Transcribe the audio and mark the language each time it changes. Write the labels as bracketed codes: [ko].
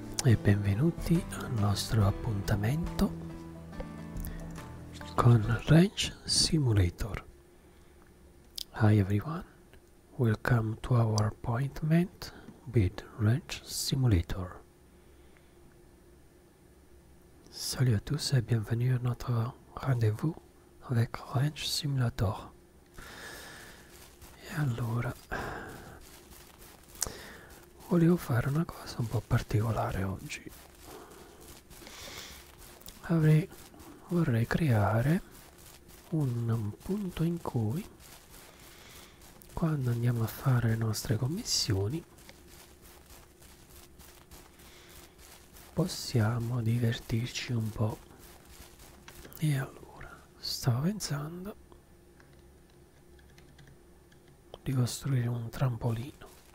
[it] E benvenuti al nostro appuntamento con Ranch Simulator. [en] Hi everyone, welcome to our appointment with Ranch Simulator. [fr] Salut à tous et bienvenue à notre rendez-vous avec Ranch Simulator. [it] E allora, volevo fare una cosa un po' particolare oggi. Vorrei creare un punto in cui, quando andiamo a fare le nostre commissioni, possiamo divertirci un po'. E allora, stavo pensando di costruire un trampolino.